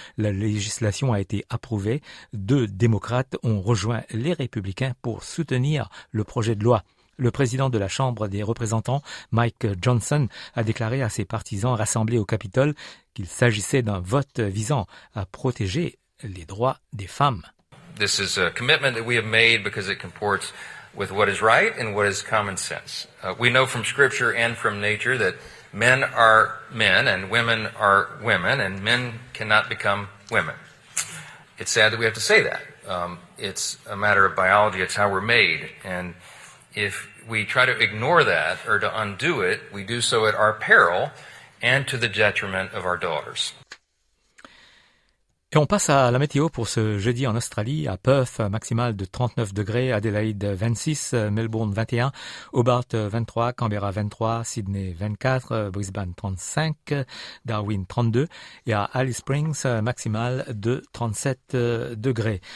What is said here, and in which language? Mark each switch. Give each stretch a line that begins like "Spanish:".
French: La législation a été approuvée. Deux démocrates ont rejoint les républicains pour soutenir le projet de loi. Le président de la Chambre des représentants, Mike Johnson, a déclaré à ses partisans rassemblés au Capitole qu'il s'agissait d'un vote visant à protéger les droits des femmes.
English: This is a commitment that we have made because it comports with what is right and what is common sense. We know from scripture and from nature that men are men and women are women and men cannot become women. It's sad that we have to say that. It's a matter of biology, it's how we're made and if we try to ignore that or to undo it, we do so at our peril and to the detriment of our daughters.
French: Et on passe à la météo pour ce jeudi en Australie. À Perth, maximale de 39 degrés, Adélaïde 26, Melbourne 21, Hobart 23, Canberra 23, Sydney 24, Brisbane 35, Darwin 32 et à Alice Springs, maximale de 37 degrés.